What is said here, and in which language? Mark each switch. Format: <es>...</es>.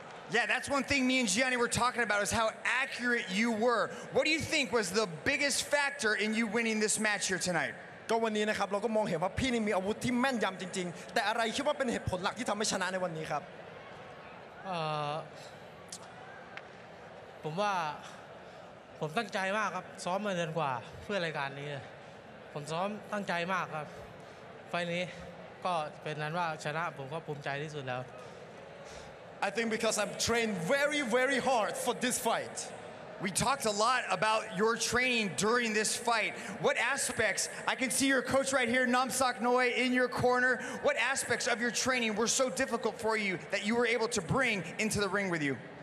<en>Yeah, that's one thing me and Gianni were talking about, is how accurate you were. What do you think was the biggest factor in you winning this match here tonight?</en> <th>ก็วันนี้นะครับเราก็มองเห็นว่าพี่นี่มีอาวุธที่แม่นยำจริงๆแต่อะไรคิดว่าเป็นเหตุผลหลักที่ทำให้ชนะในวันนี้ครับผมว่าผมตั้งใจมากครับซ้อมมาเดือนกว่าเพื่อรายการนี้ผมซ้อมตั้งใจมากครับไฟนี้ก็เป็นนั้นว่าชนะผมก็ภูมิใจที่สุดแล้ว</th> <en>I think because I've trained very, very hard for this fight. We talked a lot about your training during this fight. What aspects, I can see your coach right here, Namphongnoi, in your corner. What aspects of your training were so difficult for you that you were able to bring into the ring with you?</en>